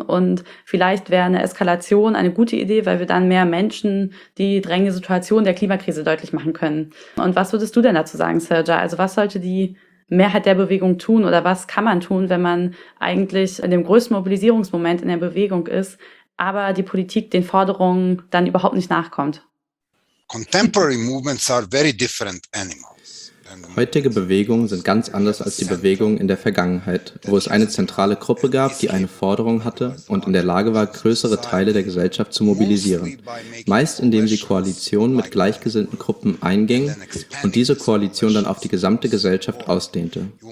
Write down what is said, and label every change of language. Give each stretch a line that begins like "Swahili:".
German: Und vielleicht wäre eine Eskalation eine gute Idee, weil wir dann mehr Menschen die drängende Situation der Klimakrise deutlich machen können. Und was würdest du denn dazu sagen, Sergio? Also was sollte die Mehrheit der Bewegung tun, oder was kann man tun, wenn man eigentlich in dem größten Mobilisierungsmoment in der Bewegung ist, aber die Politik den Forderungen dann überhaupt nicht nachkommt?
English: Contemporary movements are very different animals.
German: Heutige Bewegungen sind ganz anders als die Bewegungen in der Vergangenheit, wo es eine zentrale Gruppe gab, die eine Forderung hatte und in der Lage war, größere Teile der Gesellschaft zu mobilisieren. Meist indem sie Koalitionen mit gleichgesinnten Gruppen einging und diese Koalition dann auf die gesamte Gesellschaft ausdehnte.